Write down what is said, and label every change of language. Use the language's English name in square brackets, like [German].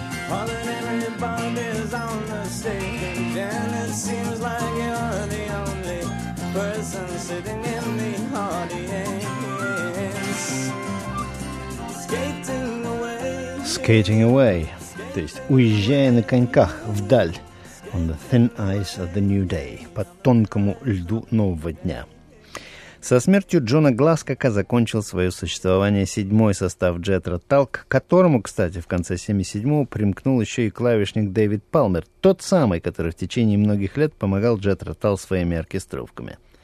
[English] All and everybody's on the stage, and it seems like you're the only person sitting in the audience. Skating away. Skating away. [Russian] То есть уезжая на коньках вдаль. [English] On the thin ice of the new day. [Russian] По тонкому льду нового дня. Со смертью Джона Гласкока закончил свое существование седьмой состав Jethro Tull, к которому, кстати, в конце 77-го примкнул еще и клавишник Дэвид Палмер, тот самый, который в течение многих лет помогал Jethro Tull своими оркестровками.